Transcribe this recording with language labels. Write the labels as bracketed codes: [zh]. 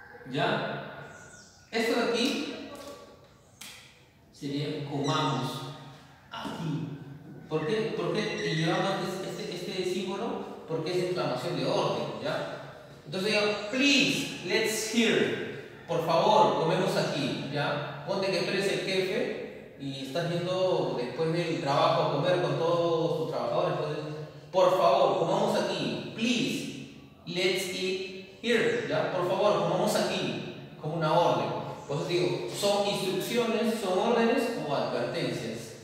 [es] ¿Ya? Esto de aquí sería comamos aquí. ¿Por qué te llevamos este símbolo? Porque es exclamación de orden, ¿ya? [en] Entonces digo, please, let's hear. [es] Por favor, comemos aquí, ¿ya? Ponte que tú eres el jefe y estás yendo después del trabajo a comer con todos tus trabajadores. Entonces, por favor, comamos aquí. [en] Please, let's eat here, [es] ¿ya? Por favor, comamos aquí. Como una orden. Por eso digo, son instrucciones, son órdenes o advertencias.